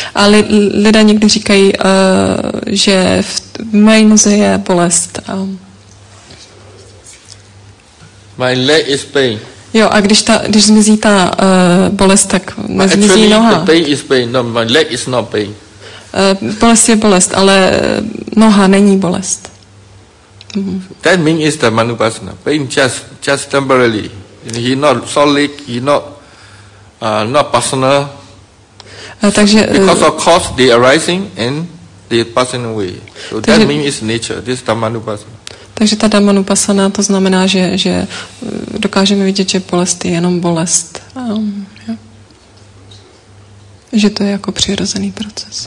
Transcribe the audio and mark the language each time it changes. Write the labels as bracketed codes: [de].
[cs] Ale lidé někdy říkají, že v mojí noze je bolest. [en] My leg is pain. [cs] Jo, a když zmizí ta bolest, tak nezmizí noha. [en] The pain is pain. No, my leg is not pain. [cs] Bolest je bolest, ale noha není bolest. Mm-hmm. [en] That means is the Dhammanu Upasana. Pain just temporarily. He not solid, he not not personal. [cs] Takže [en] because of cause they arising and they passing away. So that means is nature. This is Dhammanu Upasana. [cs] Takže ta Dhammanu Upasana, to znamená, že dokážeme vidět, že bolest je jenom bolest. Že to je jako přirozený proces.